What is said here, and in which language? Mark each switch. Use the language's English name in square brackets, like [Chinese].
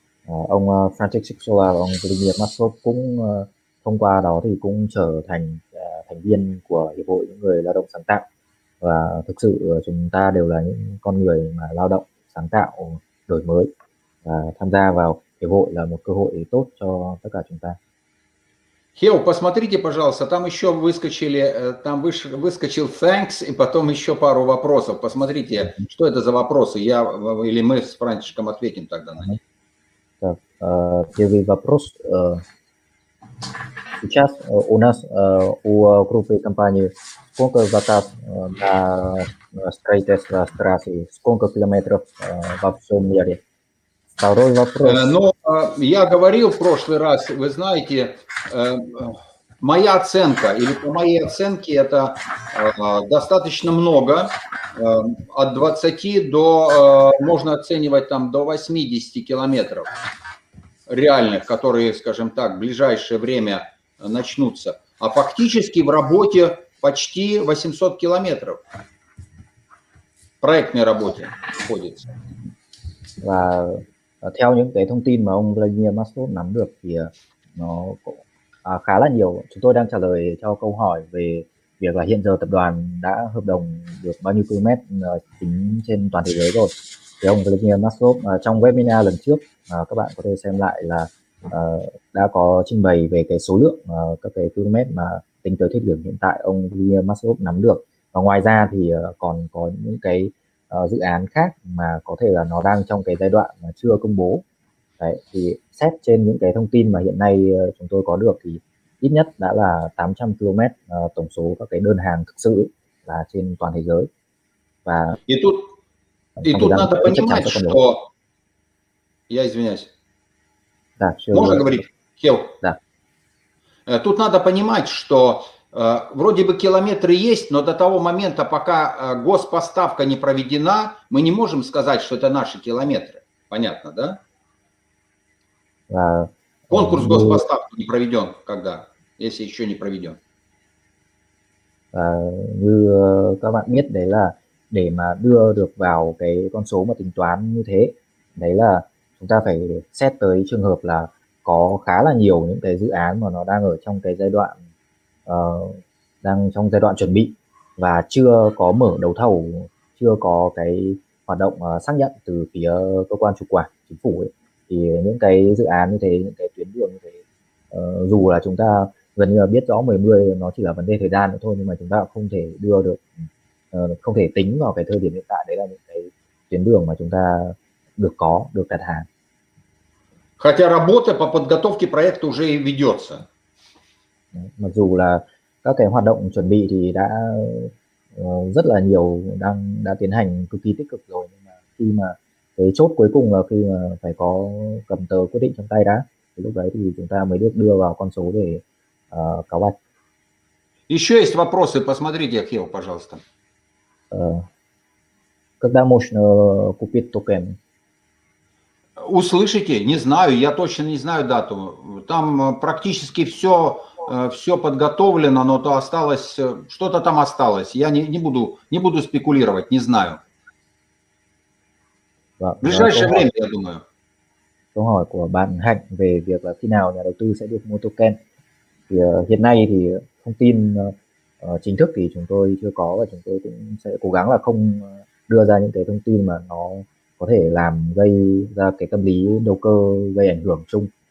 [Vietnamese] Ông Francis Sixola và ông Vladimir Maslov cũng thông qua đó thì cũng trở thành thành viên của Hiệp hội những người lao động sáng tạo. Và thực sự chúng ta đều là những con người mà lao động sáng tạo đổi mới. Và tham gia vào Hiệp hội là một cơ hội tốt cho tất cả chúng ta. [Russian] Хео, посмотрите, пожалуйста, там еще выскочили, там выскочил thanks и потом еще пару вопросов. Посмотрите, что это за вопросы, я или мы с Франческом ответим тогда на них. Так, первый вопрос. Сейчас у нас у группы компании сколько заказ на строительство трассы, сколько километров во всем мире? Второй вопрос. Ну, я говорил в прошлый раз, вы знаете, моя оценка, или по моей оценке, это достаточно много, от 20 до, можно оценивать там, до 80 километров реальных, которые, скажем так, в ближайшее время начнутся. А фактически в работе почти 800 километров. Проектной работе находится. [Vietnamese] Và theo những cái thông tin mà ông Vladimir Maslov nắm được thì nó khá là nhiều. Chúng tôi đang trả lời cho câu hỏi về việc là hiện giờ tập đoàn đã hợp đồng được bao nhiêu km tính trên toàn thế giới rồi. Thì ông Vladimir Maslov trong webinar lần trước, các bạn có thể xem lại là đã có trình bày về cái số lượng các cái km mà tính tới thời điểm hiện tại ông Vladimir Maslov nắm được. Và ngoài ra thì còn có những cái dự án khác mà có thể là nó đang trong cái giai đoạn mà chưa công bố. Đấy, thì xét trên những cái thông tin mà hiện nay chúng tôi có được thì ít nhất đã là 800 km tổng số các cái đơn hàng thực sự là trên toàn thế giới. [Russian] Và и тут, и тут надо понимать, что я извиняюсь. Да, можно говорить? Хел. Да. Тут надо понимать, что вроде бы километры есть, но до того момента, пока госпоставка не проведена, мы не можем сказать, что это наши километры. Понятно, да? Конкурс госпоставки не проведен, когда, если еще не проведен. [Vietnamese] Như các bạn biết đấy là để mà đưa được vào cái con số mà tính toán như thế, đấy là chúng ta phải xét tới trường hợp là có khá là nhiều những cái dự án mà nó đang ở trong cái giai đoạn đang trong giai đoạn chuẩn bị và chưa có mở đấu thầu, chưa có cái hoạt động xác nhận từ phía cơ quan chủ quản chính phủ ấy. Thì những cái dự án như thế, những cái tuyến đường như thế, dù là chúng ta gần như là biết rõ 10-10 nó chỉ là vấn đề thời gian nữa thôi, nhưng mà chúng ta không thể đưa được, không thể tính vào cái thời điểm hiện tại đấy là những cái tuyến đường mà chúng ta được có, được đặt hàng. [Russian] Хотя работа по подготовке проекта уже ведется. [Vietnamese] Mặc dù là các cái hoạt động chuẩn bị thì đã rất là nhiều, đã tiến hành cực kỳ tích cực rồi, nhưng mà khi mà cái chốt cuối cùng là khi mà phải có cầm tờ quyết định trong tay đã, thì lúc đấy thì chúng ta mới được đưa vào con số để cáo bạch. [Russian] Еще есть вопросы, посмотрите, Хил, пожалуйста. Когда можно купить токен? Услышите? Не знаю, я точно не знаю дату. Там практически все... Все подготовлено, но то осталось, что-то там осталось. Я не буду спекулировать, не знаю. Да, в ближайшее время, я думаю. [Vietnamese] Câu hỏi của bạn Hạnh về việc là khi nào nhà đầu tư sẽ được mua token. Thì hiện nay thì thông tin chính thức thì chúng tôi chưa có và chúng tôi cũng sẽ cố gắng là không đưa ra những cái thông tin mà nó có thể làm gây ra cái tâm lý đầu cơ gây ảnh hưởng chung.